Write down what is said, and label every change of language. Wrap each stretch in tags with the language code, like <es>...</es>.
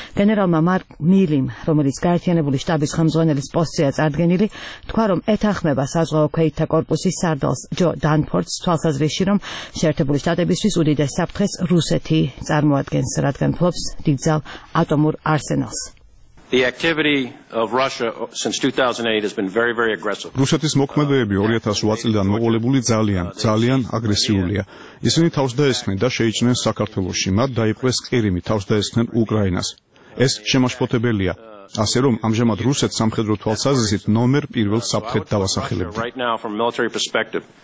<ka>გენერალმა მარკ მილიმ, რომელიც გაერთიანებული შტაბის ხელმძღვანელის პოსტზეა წარდგენილი, თქვა, რომ ეთანხმება საზღვაო ქვეითთა კორპუსის სარდალს ჯო დანფორდს თვალსაზრისში, რომ შეერთებული შტატებისთვის უდიდეს საფრთხეს რუსეთი წარმოადგენს, რადგან ფლობს დიდ ძალ ატომურ არსენალს.</ka> <en>The activity of Russia since 2008 has been very very aggressive.</en> <ka>რუსეთის მოქმედებები 2008 წლიდან მოყოლებული ძალიან აგრესიულია. ისინი თავს დაესხნენ და შეიჭრნენ საქართველოში, მათ დაიპყრეს ყირიმი, თავს დაესხნენ უკრაინას. ეს შემაშფოთებელია. ასე რომ ამჟამად რუსეთ სამხედრო თვალსაზრისით ნომერ პირველ საფრთხედ დავასახელებთ.</ka>